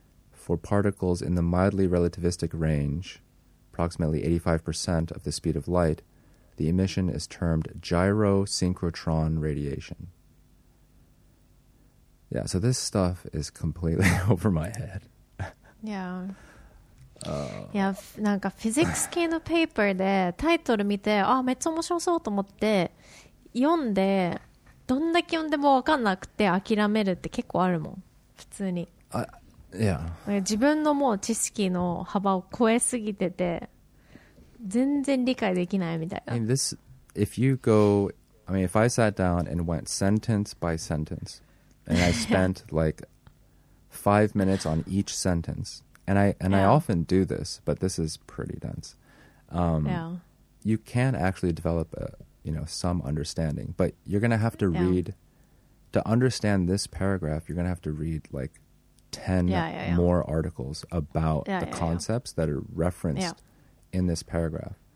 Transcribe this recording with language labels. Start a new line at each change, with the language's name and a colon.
English: For particles in the mildly relativistic range, approximately 85% of the speed of light, the emission is termed gyrosynchrotron radiation. Yeah, so this stuff is completely over my head. Yeah.
Japanese: いやなんかフィジックス系のペーパーでタイトル見てあめっちゃ面白そうと思って読んでどんだけ読んでも分かんなくて諦めるって結構あるもん普通に、
English: yeah.
Japanese: 自分のもう知識の幅を超えすぎてて全然理解できないみたいな
English: I mean, this, if you go I mean if I sat down and went sentence by sentence and I spent like 5 minutes on each sentenceAnd I often do this, but this is pretty dense. You can actually develop a, you know, some understanding, but you're going to have to read, to understand this paragraph, you're going to have to read like 10 more articles about the concepts that are referenced in this paragraph.